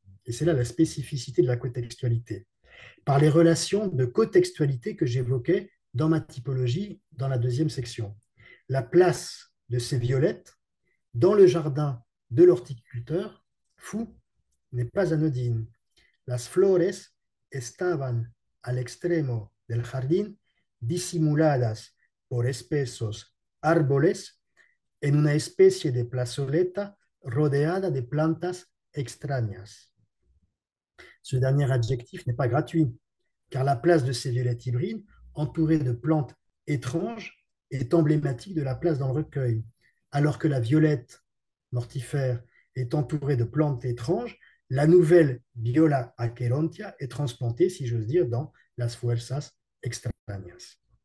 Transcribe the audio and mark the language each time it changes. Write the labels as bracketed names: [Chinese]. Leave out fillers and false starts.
[French] Et c'est là la spécificité de la cotextualité. Par les relations de cotextualité que j'évoquais dans ma typologie dans la deuxième section. La place de ces violettes dans le jardin de l'horticulteur fou n'est pas anodine. [Spanish] Las flores estaban al extremo del jardín disimuladas por espesos árboles en una especie de plazoleta rodeada de plantas extrañas. [French] Ce dernier adjectif n'est pas gratuit, car la place de ces violettes hybrides, entourées de plantes étranges, est emblématique de la place dans le recueil. Alors que la violette mortifère est entourée de plantes étranges, la nouvelle Viola Acherontia est transplantée, si j'ose dire, dans Las Fuerzas Extrañas.